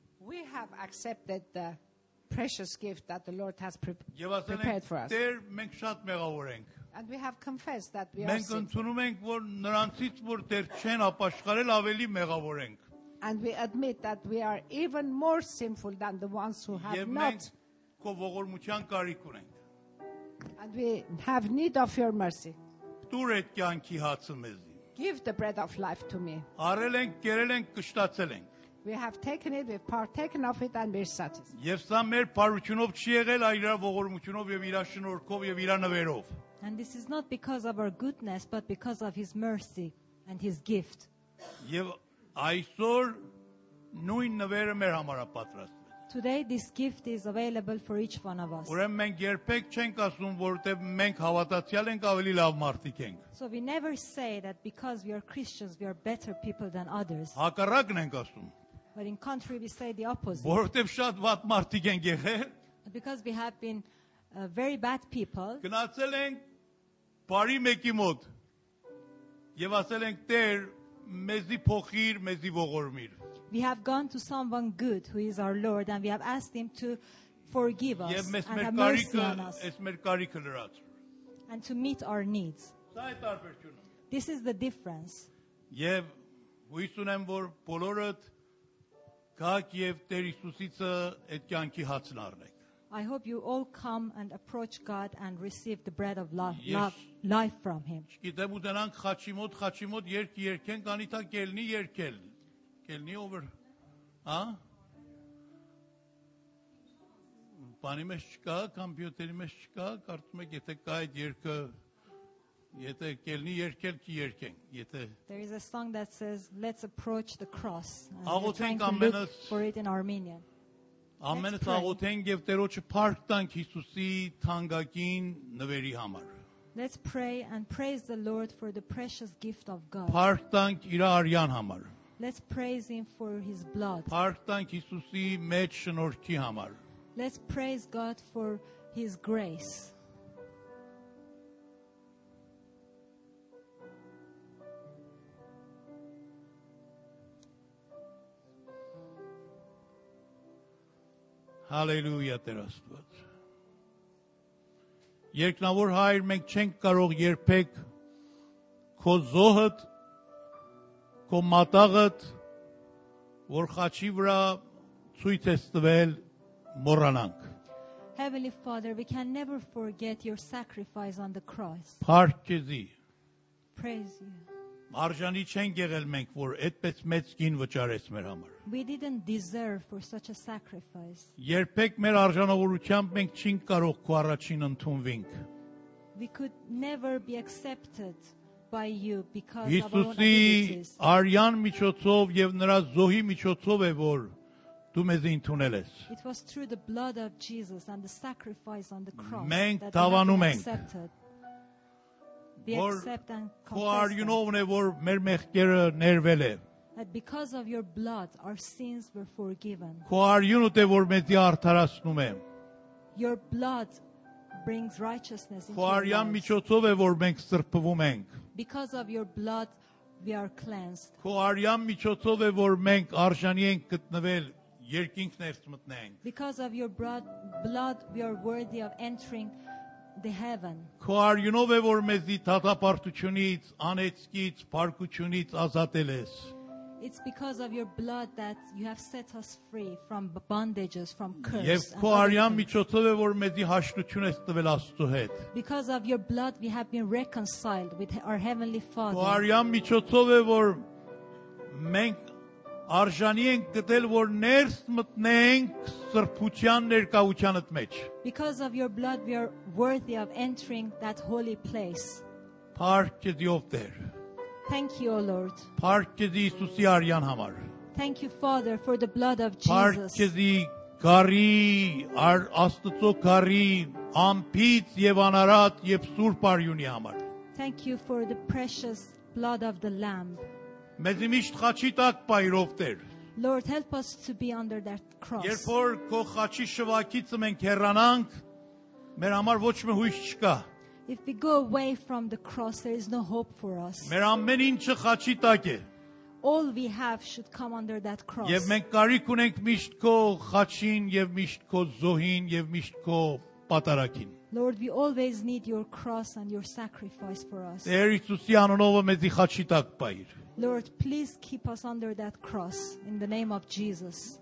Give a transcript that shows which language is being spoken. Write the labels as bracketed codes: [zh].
[en] We have accepted the precious gift that the Lord has prepared for us. And we have confessed that we [hy] Մենք [en] are [hy] ընդունում ենք, որ նրանցից, որ դեռ չեն ապաշխարել, ավելի մեղավոր ենք. [en] And we admit that we are even more sinful than the ones who have not. [hy] Ողորմության կարիք ունենք. [en] And we have need of your mercy. [hy] Տուր այդ կյանքի հացը մեզի։ [en] Give the bread of life to me. [hy] Արել ենք, կերել ենք, կշտացել ենք։ [en] We have taken it, we've partaken of it, and we're satisfied. [hy] Եվ սա մեր բարությունով չի եղել, այլ իր ողորմությունով եւ իր շնորհքով եւ իր նվերով։ [en] And this is not because of our goodness, but because of his mercy and his gift. [hy] Եվ այսօր նույն նվերը մեր համար պատրաստ։ [en] Today this gift is available for each one of us. [hy] Ուրեմն մենք երբեք չենք ասում, որովհետև մենք հավատացյալ ենք, ավելի լավ մարդիկ ենք։ [en] So we never say that because we are Christians we are better people than others. [hy] Հակառակն ենք ասում։ [en] But in contrary we say the opposite. [hy] Որովհետև շատ վատ մարդիկ ենք եղել։ [en] Because we have been very bad people. [hy] Գնացել ենք բարի մեկի մոտ եւ ասել ենք Տեր, մեզի փոխիր, մեզի ողորմիր։ [en] We have gone to someone good who is our Lord and we have asked him to forgive us and have mercy on us and to meet our needs. This is the difference. [hy] Եվ հույս ունեմ, որ բոլորդ գաք եւ Տեր Հիսուսիցը այդ կյանքի հացն առնեք։ [en] I hope you all come and approach God and receive the bread of life from him. [hy] Գիտեմ ու դրանք խաչի մոտ երկենք անիտա կելնի երկել։ Ելնի over ա բանի մեջ չկա, համբյուտերի մեջ չկա, կարծում եք եթե կա այդ երգը, եթե կելնի երկել կերկենք, եթե [en] There is a song that says let's approach the cross. [hy] Աղոթենք ամենս [en] for it in Armenian. [hy] Ամենս աղոթենք եւ Տերոջը փառք տանք Հիսուսի թանկագին նվերի համար. [en] Let's pray and praise the Lord for the precious gift of God. [hy] Փառք տանք իր արյան համար. [en] Let's praise him for his blood. [hy] Փառք տանք Հիսուսի մեջ շնորհքի համար. [en] Let's praise God for his grace. [hy] Hallelujah, Տեր Աստված. Երկնավոր Հայր, մենք չենք կարող երբեք քո զոհդ Քո մատաղդ, որ խաչի վրա ցույց ես տվել, մոռանանք. [en] Heavenly Father, we can never forget your sacrifice on the cross. [hy] Փառքեզի. [en] Praise you. [hy] Արժանի չենք եղել մենք, որ այդպես մեծ գին վճարես մեր համար. [en] We didn't deserve for such a sacrifice. [hy] Երբեք մեր արժանավորությամբ մենք չենք կարող քո առաջին ընդունվենք. [en] We could never be accepted. By you because [hy] Հիսուսի արյան միջոցով եւ նրա զոհի միջոցով է որ դու մեզ ընդունել ես։ [en] It was through the blood of Jesus and the sacrifice on the cross. [hy] Մենք դավանում ենք։ Որ քո արյունովն է որ մեր մեղքերը ներվել է։ [en] That because of your blood our sins were forgiven. [hy] Քո արյունը դե որ մեզ արդարացնում է։ [en] Your blood brings righteousness into [hy] Քո արյան միջոցով է որ մենք սրբվում ենք։ [en] Because of your blood we are cleansed. [hy] Քո արյան միջոցով է որ մենք արժանի ենք գտնվել երկինք ներս մտնենք։ [en] Because of your blood we are worthy of entering the heaven. [hy] Քո արյունով է որ մեզի թաթապարտությունից, անեծքից, բարկությունից ազատել ես։ [en] It's because of your blood that you have set us free from bondages, from curse. [hy] Եվ քո արյան միջոցով է որ մեզի հաշտություն ես տվել Աստծո հետ. [en] Because of your blood we have been reconciled with our heavenly Father. [hy] Քո արյան միջոցով է որ մենք արժանի ենք գտել որ ներս մտնենք սրբության ներկայությանդ մեջ. [en] Because of your blood we are worthy of entering that holy place. [hy] Փառքեզի ով Տեր. [en] Thank you, O Lord. [hy] Փառքեզի Հիսուսի արյան համար. [en] Thank you, Father, for the blood of Jesus. [hy] Փառքեզի գարի, Աստծո գարի, ամպից եւ անարատ եւ սուրբ արյունի համար. [en] Thank you for the precious blood of the Lamb. [hy] Մեզ միշտ խաչի տակ պայրով Տեր. [en] Lord, help us to be under that cross. [hy] Երբ որ քո խաչի շվակից մենք հեռանանք, մեր համար ոչ մի հույս չկա։ [en] If we go away from the cross, there is no hope for us. [hy] Մեր ամեն ինչը խաչի տակ է. [en] All we have should come under that cross. [hy] Եվ մենք կարիք ունենք միշտ քո խաչին եւ միշտ քո զոհին եւ միշտ քո պատարագին. [en] Lord, we always need your cross and your sacrifice for us. [hy] Տեր Հիսուսի անունով մեզի խաչի տակ պայիր. [en] Lord, please keep us under that cross in the name of Jesus.